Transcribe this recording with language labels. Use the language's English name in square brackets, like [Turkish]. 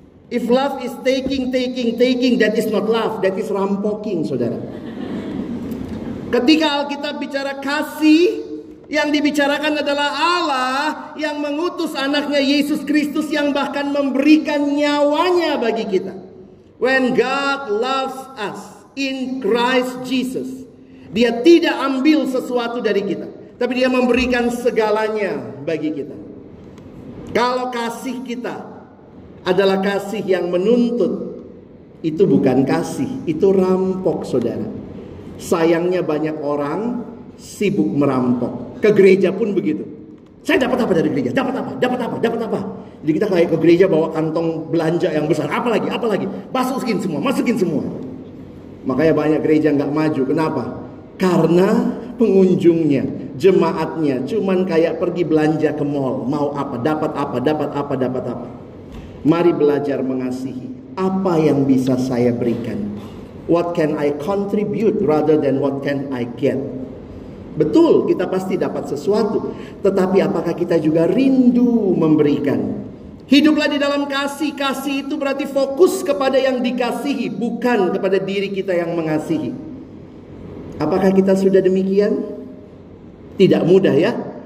[English] If love is taking, taking, taking, that is not love. That is rampoking, saudara. [Indonesian] Ketika Alkitab bicara kasih, yang dibicarakan adalah Allah yang mengutus anaknya Yesus Kristus yang bahkan memberikan nyawanya bagi kita. [English] When God loves us in Christ Jesus, [Indonesian] Dia tidak ambil sesuatu dari kita, tapi Dia memberikan segalanya bagi kita. Kalau kasih kita adalah kasih yang menuntut, itu bukan kasih, itu rampok, saudara. Sayangnya banyak orang sibuk merampok. Ke gereja pun begitu. Saya dapat apa dari gereja? Dapat apa? Dapat apa? Dapat apa? Jadi kita kayak ke gereja bawa kantong belanja yang besar. Apalagi? Apalagi? Masukin semua, masukin semua. Makanya banyak gereja gak maju. Kenapa? Karena pengunjungnya, jemaatnya cuman kayak pergi belanja ke mall. Mau apa? Dapat apa? Dapat apa? Dapat apa? Mari belajar mengasihi. Apa yang bisa saya berikan? [English] What can I contribute rather than what can I get? [Indonesian] Betul, kita pasti dapat sesuatu. Tetapi apakah kita juga rindu memberikan? Hiduplah di dalam kasih. Kasih itu berarti fokus kepada yang dikasihi, bukan kepada diri kita yang mengasihi. Apakah kita sudah demikian? Tidak mudah ya.